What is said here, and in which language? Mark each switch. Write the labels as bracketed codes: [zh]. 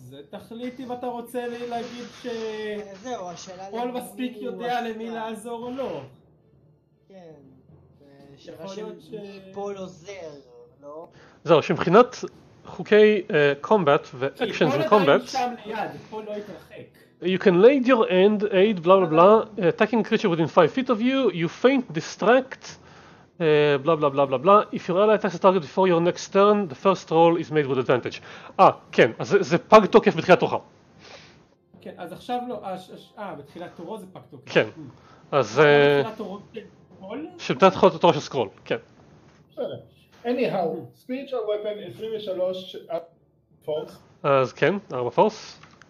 [he] תחליטי אם אתה רוצה להגיד ש... זהו, השאלה... פול מספיק יודע למי לעזור או לא. כן, שפול עוזר, לא? זהו, שמבחינת חוקי קומבט ואקשנס וקומבט... פול עדיין שם ליד, פול לא יתרחק. [en] You can lay your hand, aid, blah blah blah, attacking creature within 5 feet of you, you faint, distract, blah blah blah blah blah. If you really attack the target before your next turn, the first roll is made with advantage. [he] כן, אז זה פג תוקף בתחילת תורך. כן, אז עכשיו לא, בתחילת תורו זה פג תוקף. כן, אז... בתחילת תורו, כן, תורו של סקרול, כן. בסדר. [en] Anyhow, spiritual weapon 23, [he] 4 פורס. אז כן, 4 פורס.